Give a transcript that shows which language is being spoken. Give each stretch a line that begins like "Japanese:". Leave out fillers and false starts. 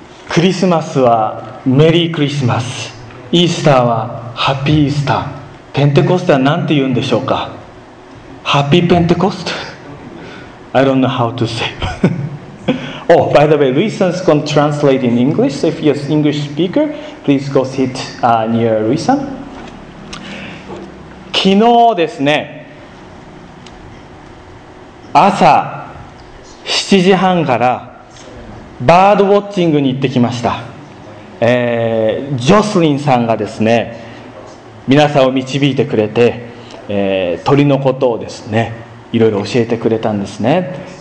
Japanese: クリスマスはメリークリスマス、イースターはハッピーイースター、ペンテコステは何て言うんでしょうか。ハッピーペンテコスト。
English: I don't know how to say. Oh, by the way, Luisan is going to translate in English. So if you're an English speaker, please go sit near Luisan.
Japanese: 昨日ですね、朝7時半からバードウォッチングに行ってきました。ジョスリンさんがですね、皆さんを導いてくれて、鳥のことをですね、いろいろ教えてくれたんですね。